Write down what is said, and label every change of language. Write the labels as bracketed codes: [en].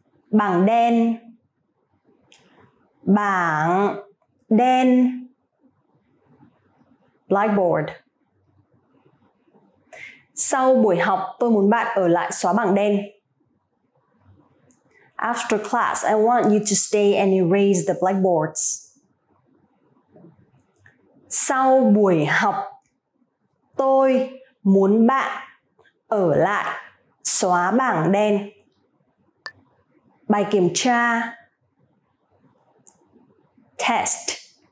[vi] Bảng đen. Bảng đen. [en] blackboard. [vi] Sau buổi học, tôi muốn bạn ở lại xóa bảng đen. [en] After class, I want you to stay and erase the blackboards. [vi] Sau buổi học, tôi muốn bạn ở lại xóa bảng đen. Bài kiểm tra. [en] Test.